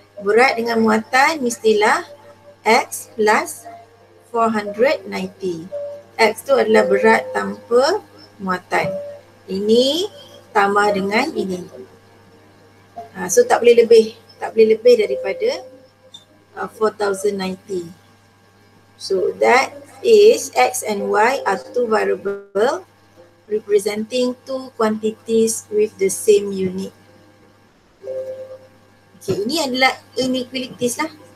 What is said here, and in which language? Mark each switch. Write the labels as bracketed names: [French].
[Malay] Berat dengan muatan mestilah X plus 490. X tu adalah berat tanpa muatan. Ini tambah dengan ini. So tak boleh lebih. Tak boleh lebih daripada 4,090. [English] So that is X and Y are two variables representing two quantities with the same unit. [Malay] Okay, ini adalah inequalities lah.